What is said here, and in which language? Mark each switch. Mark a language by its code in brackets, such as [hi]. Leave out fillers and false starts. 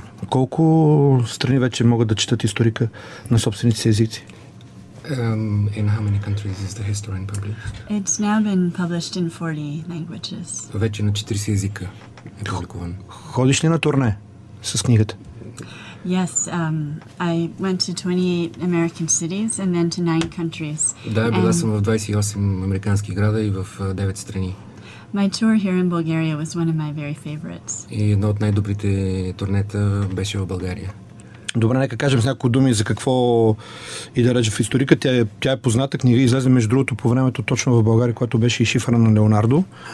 [bg] Колко страни вече могат да четат историка на собствените си езици? [en] In how many countries is the historian published? It's now been published in 40 languages. [bg] Вече на 40 езика е публикуван. Ходиш ли на турне с книгата? [en] Yes, I went to 28 American cities and then to 9 countries. [bg] Да, била съм в 28 американски града и в 9 страни. [en] My tour here in Bulgaria was one of my very favorites. [bg] И едно от най-добрите турнета беше в България. Добре, нека кажем с някои думи за какво и да речем в историка. Тя е позната книга, излезе между другото по времето точно в България, която беше и шифъра на Леонардо.